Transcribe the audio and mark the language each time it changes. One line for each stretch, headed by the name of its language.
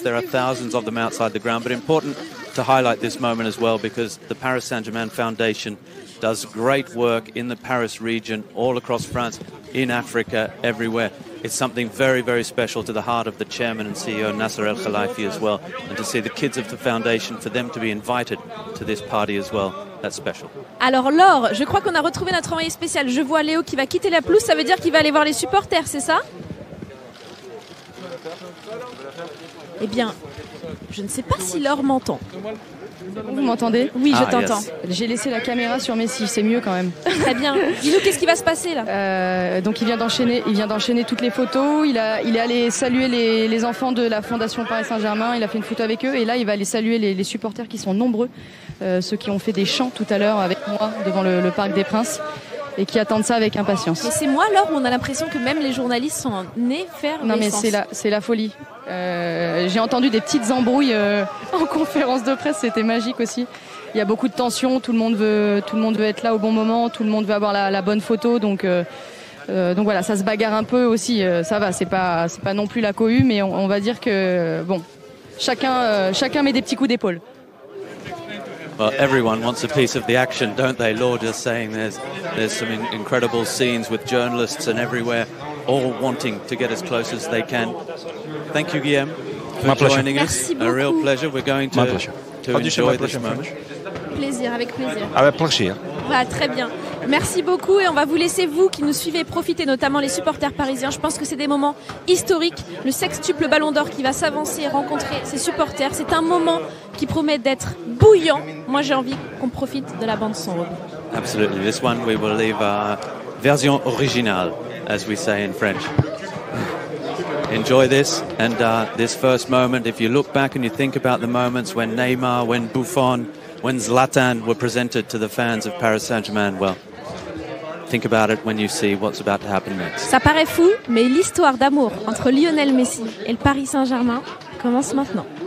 English: There are thousands of them outside the ground, but important to highlight this moment as well, because the Paris Saint-Germain Foundation does great work in the Paris region, all across France, in Africa, everywhere. It's something very, very special to the heart of the chairman and CEO, Nasser El Khelaifi, as well. And to see the kids of the foundation, for them to be invited to this party as well, that's special.
French: Alors, Laure, je crois qu'on a retrouvé notre envoyé spécial. Je vois Léo qui va quitter la pelouse, ça veut dire qu'il va aller voir les supporters, c'est ça? Eh bien, je ne sais pas si Laure m'entend. Vous m'entendez? Oui, je t'entends.
English: Yes.
French: J'ai laissé la caméra sur Messi, c'est mieux quand même. Très bien. Dis-nous, qu'est-ce qui va se passer là? Donc il vient d'enchaîner toutes les photos. Il est allé saluer les enfants de la Fondation Paris Saint-Germain. Il a fait une photo avec eux. Et là, il va aller saluer les supporters qui sont nombreux, ceux qui ont fait des chants tout à l'heure avec moi devant le Parc des Princes et qui attendent ça avec impatience. Mais c'est moi alors où on a l'impression que même les journalistes sont en effervescence. Non mais c'est la folie. J'ai entendu des petites embrouilles en conférence de presse, c'était magique aussi. Il y a beaucoup de tension, tout le monde veut être là au bon moment, tout le monde veut avoir la bonne photo, donc voilà, ça se bagarre un peu aussi, ça va, c'est pas non plus la cohue, mais on va dire que bon, chacun met des petits coups d'épaule.
English: Well, everyone wants a piece of the action, don't they? Laure just saying there's some incredible scenes with journalists and everywhere, all wanting to get as close as they can. Thank you, Guillaume, for joining us. A real pleasure. We're going to enjoy this moment.
French: Plaisir, avec plaisir. Avec plaisir. Bah, très bien. Merci beaucoup et on va vous laisser, vous qui nous suivez, profiter, notamment les supporters parisiens. Je pense que c'est des moments historiques. Le sextuple Ballon d'Or qui va s'avancer et rencontrer ses supporters. C'est un moment qui promet d'être bouillant. Moi, j'ai envie qu'on profite de la bande son.
English: Absolutely. This one we will leave a
French: version originale,
English: as we say in French. Enjoy this and this first moment. If you look back and you think about the moments when Neymar, when Buffon, when Zlatan were presented to the fans of Paris Saint-Germain, well, think about it when you see what's about to happen next.
French: Ça paraît fou, mais l'histoire d'amour entre Lionel Messi et le Paris Saint-Germain commence maintenant.